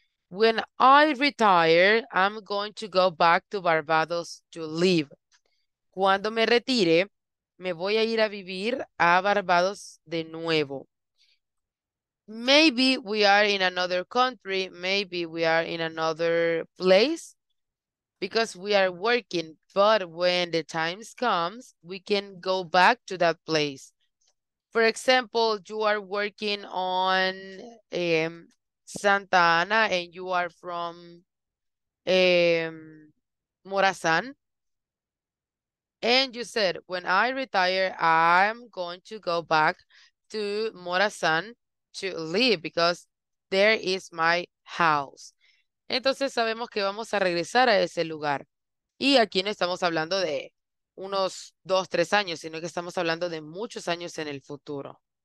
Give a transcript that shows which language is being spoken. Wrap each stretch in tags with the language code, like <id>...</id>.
<en>When I retire, I'm going to go back to Barbados to live.</en> <es>Cuando me retire, me voy a ir a vivir a Barbados de nuevo.</es> <en>Maybe we are in another country. Maybe we are in another place because we are working. But when the time comes, we can go back to that place. For example, you are working on Santa Ana and you are from Morazan. And you said, when I retire, I'm going to go back to Morazan to live because there is my house.</en> <es>Entonces sabemos que vamos a regresar a ese lugar. Y aquí no estamos hablando de unos 2, 3 años, sino que estamos hablando de muchos años en el futuro.</es>